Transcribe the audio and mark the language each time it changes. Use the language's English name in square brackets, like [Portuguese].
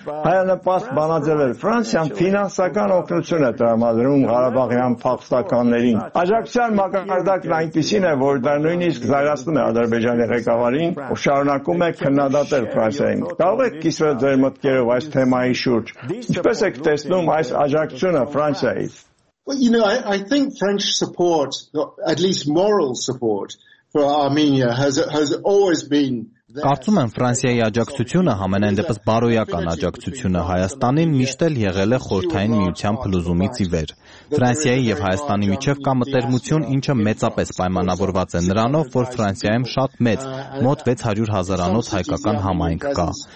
[Armenian] հայանպաստ բանաձևեր։ Ֆրանսիան ֆինանսական օգնություն է տրամադրում Ղարաբաղյան փախստականներին։ Աջակցության մակարդակն այնպիսին է, որ դա նույնիսկ զարգացնում է Ադրբեջանի ղեկավարին ու շարունակում է քննադատել Ֆրանսիային։ Կարո՞ղ եք կիսվել ձեր մտքերով այս թեմայի շուրջ։ Ինչպե՞ս եք տեսնում այս աջակցությունը Ֆրանսիայից։ [English] Well, you know, I think French support, at least moral support for Armenia has always been. [Armenian] Կարծում եմ Ֆրանսիայի աջակցությունը, համենայն դեպս բարոյական աջակցությունը Հայաստանին, միշտ էլ եղել է խորհրդային միության փլուզումից ի վեր։ Ֆրանսիայի եւ Հայաստանի միջև կա մտերմություն, ինչը մեծապես պայմանավորված է նրանով, որ Ֆրանսիայում շատ մեծ, մոտ 600 հազարանոց հայկական համայնք կա։